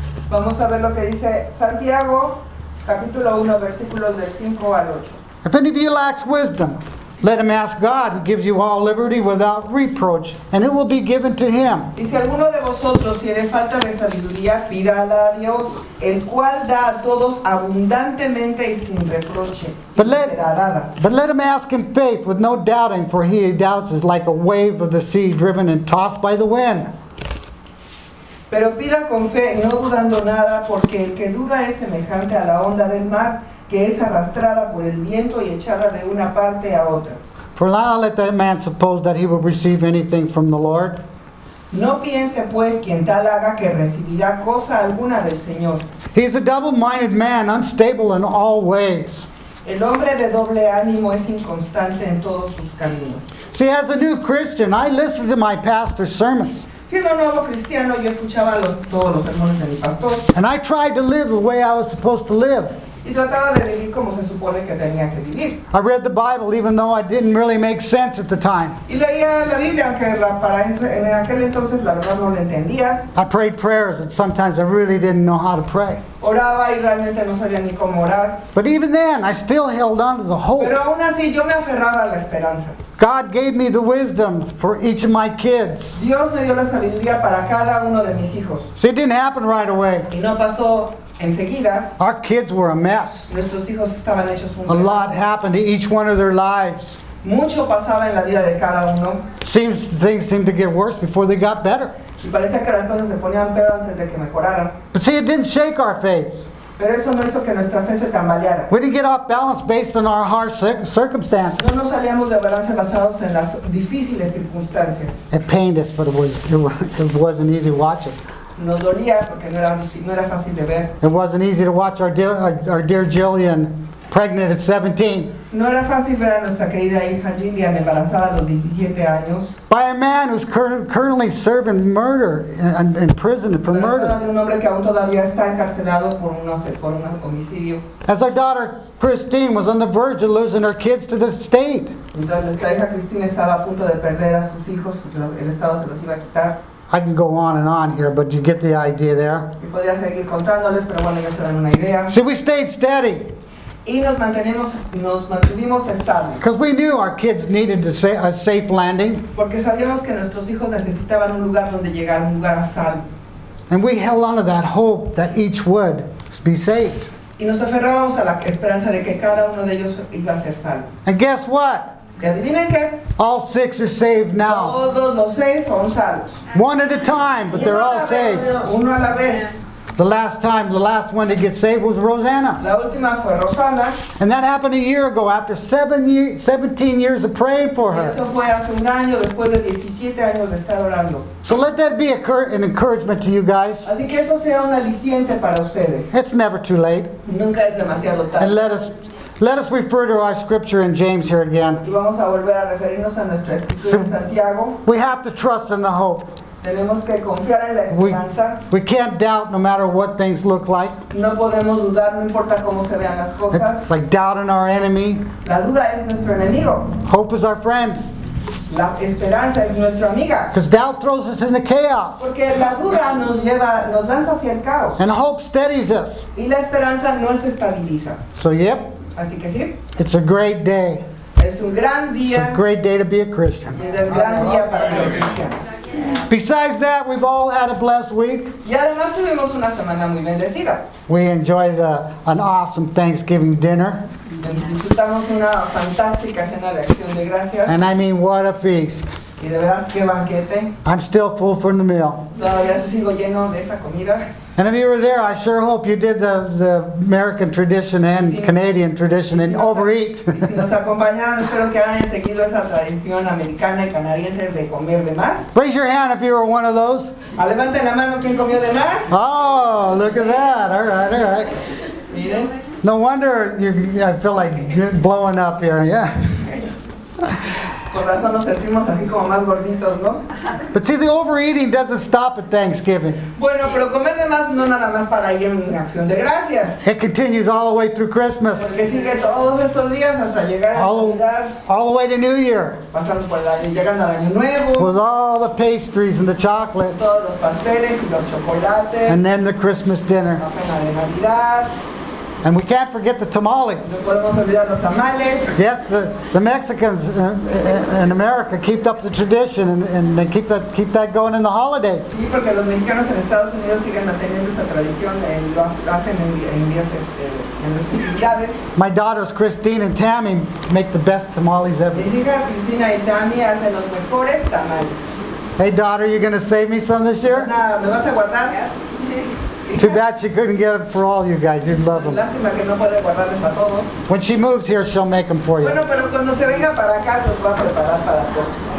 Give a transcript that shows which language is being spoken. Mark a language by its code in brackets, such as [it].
[es] Vamos a ver lo que dice Santiago, capítulo 1, versículos del 5 al 8. [en] If any of you lacks wisdom, let him ask God, who gives you all liberty without reproach, and it will be given to him. [es] Y si alguno de vosotros tiene falta de sabiduría, pídala a Dios, el cual da a todos abundantemente y sin reproche. [en] But let him ask in faith, with no doubting, for he who doubts is like a wave of the sea driven and tossed by the wind. [es] Pero pida con fe, no dudando nada, porque el que duda es semejante a la onda del mar, que es arrastrada por el viento y echada de una parte a otra. [en] For not let that man suppose that he will receive anything from the Lord. [es] No piense pues quien tal haga que recibirá cosa alguna del Señor. [en] He is a double-minded man, unstable in all ways. [es] El hombre de doble ánimo es inconstante en todos sus caminos. [en] See, as a new Christian, I listen to my pastor's sermons. [es] Siendo nuevo cristiano, yo escuchaba todos los sermones de mi pastor. [en] And I tried to live the way I was supposed to live. [es] Y trataba de vivir como se supone que tenía que vivir. [en] I read the Bible even though I didn't really make sense at the time. [es] Y leía la Biblia aunque en aquel entonces la verdad no la entendía. [en] I prayed prayers that sometimes I really didn't know how to pray. [es] Oraba y realmente no sabía ni cómo orar. [en] But even then, I still held on to the hope. [es] Pero aún así yo me aferraba a la esperanza. [en] God gave me the wisdom for each of my kids. [es] Dios me dio la sabiduría para cada uno de mis hijos. [en] So it didn't happen right away. [es] Y no pasó. Enseguida, [en] our kids were a mess. [es] Nuestros hijos estaban hechos un [en] a lot happened to each one of their lives. [es] Mucho pasaba en la vida de cada uno. [en] Things seemed to get worse before they got better. [es] Y parecía que las cosas se ponían peor antes de que mejoraran. [en] But see, it didn't shake our faith. [es] Pero eso no hizo que nuestra fe se tambaleara. [en] We didn't get off balance based on our harsh circumstances. [es] No nos salíamos de balance basados en las difíciles circunstancias. [en] It pained us, but it wasn't easy watching. [es] Nos dolía porque no era fácil de ver. [en] It wasn't easy to watch our dear Jillian pregnant at 17. [es] No era fácil ver a nuestra querida hija Jillian embarazada a los 17 años. [en] By a man who's currently serving murder in prison for murder. [es] De un hombre que aún todavía está encarcelado por un homicidio. [en] As our daughter Christine was on the verge of losing her kids to the state. [es] Mientras nuestra hija Christine estaba a punto de perder a sus hijos, el estado se los iba a quitar. [en] I can go on and on here, but you get the idea there. [es] Podría seguir contándoles, pero bueno, ya se dan una idea. [en] See, we stayed steady. [es] Y nos mantuvimos estables. [en] Because we knew our kids needed a safe landing. [es] Porque sabíamos que nuestros hijos necesitaban un lugar donde llegar, un lugar a salvo. [en] And we held on to that hope that each would be saved. [es] Y nos aferrábamos a la esperanza de que cada uno de ellos iba a ser salvo. [en] And guess what? All six are saved now. [es] Todos los seis son salvos. [en] One at a time, but they're all saved. [es] Uno a la vez. [en] The last one to get saved was Rosanna. [es] La última fue Rosanna. [en] And that happened a year ago after 17 years of praying for her. [es] Eso fue hace un año después de 17 años de estar orando. [en] So let that be an encouragement to you guys. [es] Así que eso sea un aliciente para ustedes. [en] It's never too late. [es] Nunca es demasiado tarde. [en] And let us refer to our scripture in James here again. [es] Y vamos a volver a referirnos a nuestra escritura en Santiago. [en] We have to trust in the hope. [es] Tenemos que confiar en la esperanza. [en] We can't doubt no matter what things look like. [es] No podemos dudar, no importa cómo se vean las cosas. [en] It's like doubting our enemy. [es] La duda es nuestro enemigo. [en] Hope is our friend. [es] La esperanza es nuestra amiga. [en] Because doubt throws us into chaos. [es] Porque la duda nos lanza hacia el caos. [en] And hope steadies us. [es] Y la esperanza nos estabiliza. [en] So yep. [es] Así que sí. [en] It's a great day. [es] Es un gran día. [en] It's a great day to be a Christian. [es] Y es un gran día para ser cristiano. [en] Besides that, we've all had a blessed week. [es] Y además tuvimos una semana muy bendecida. [en] We enjoyed an awesome Thanksgiving dinner. [es] Disfrutamos una fantástica cena de Acción de Gracias. [en] And I mean, what a feast. [es] Y de veras, qué banquete. [en] I'm still full from the meal. [es] Todavía sigo lleno de esa comida. [en] And if you were there, I sure hope you did the American tradition and sí. Canadian tradition and overeat. [es] Si nos acompañaron, espero que hayan seguido esa tradición americana y canadiense de comer de más. [en] Raise your hand if you were one of those. [es] Levante la mano quien comió de más. [en] Oh, look at that. All right, all right. [es] Miren. [en] No wonder I feel like blowing up here, yeah. [es] Por eso nos sentimos así como más gorditos, ¿no? [en] But see, the overeating doesn't stop at Thanksgiving. [es] Bueno, pero comer de más no nada más para ir en Acción de Gracias. [en] It continues all the way through Christmas. [es] Porque sigue todos estos días hasta llegar a Navidad. [en] All the way to New Year. [es] Pasando por llegando al Año Nuevo. [en] With all the pastries and the chocolates. [es] Todos los pasteles y los chocolates. [en] And then the Christmas dinner. [es] La cena de Navidad. [en] And we can't forget the tamales. [es] No podemos olvidar los tamales. [en] Yes, the Mexicans in America keep up the tradition and they keep that going in the holidays. [es] Sí, porque los mexicanos en Estados Unidos siguen manteniendo esa tradición y lo hacen en días en las festividades. [en] My daughters Christine and Tammy make the best tamales ever. [es] Mis hijas Cristina y Tammy hacen los mejores tamales. [en] Hey daughter, you gonna save me some this year? [es] No, me vas a guardar. [en] Too bad she couldn't get them for all you guys. You'd love them. [es] Lástima que no puede guardarles a todos. [en] When she moves here, she'll make them for you. [es] Bueno, pero cuando se venga para acá, los va a preparar para todos.